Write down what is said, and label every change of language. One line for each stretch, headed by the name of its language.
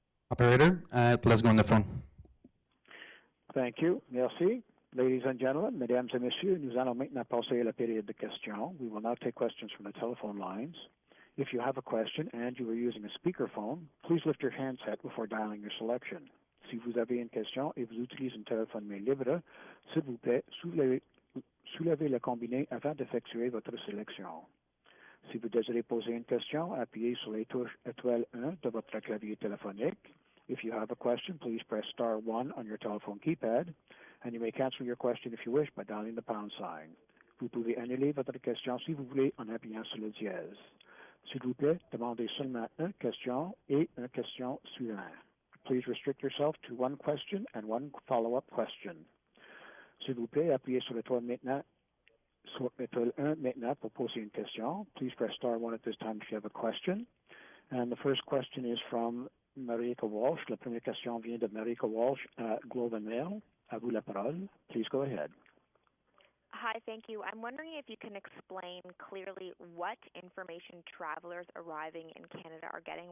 English: Operator, please go on the phone. Thank you.
French: Merci.
English: Ladies and gentlemen,
French: mesdames et messieurs, nous allons maintenant passer à la période de questions.
English: We will now take questions from the telephone lines. If you have a question and you are using a speakerphone, please lift your handset before dialing your selection.
French: Si vous avez une question et vous utilisez un téléphone main libre, s'il vous plaît, soulevez le combiné avant d'effectuer votre sélection. Si vous désirez poser une question, appuyez sur les touches étoile 1 de votre clavier téléphonique.
English: If you have a question, please press star 1 on your telephone keypad, and you may cancel your question if you wish by dialing the pound sign.
French: Vous pouvez annuler votre question si vous voulez en appuyant sur le dièse. S'il vous plaît, demandez seulement une question et une question suivante.
English: Please restrict yourself to one question and one follow-up question.
French: S'il vous plaît, appuyez sur l'étoile maintenant, sur l'étoile 1 maintenant pour poser une question.
English: Please press star 1 at this time if you have a question. And the first question is from Marika Walsh.
French: La première question vient de Marika Walsh at Globe and Mail. À vous la parole.
English: Please go ahead. Hi, thank you. I'm wondering if you can explain clearly what information travelers arriving in Canada are getting.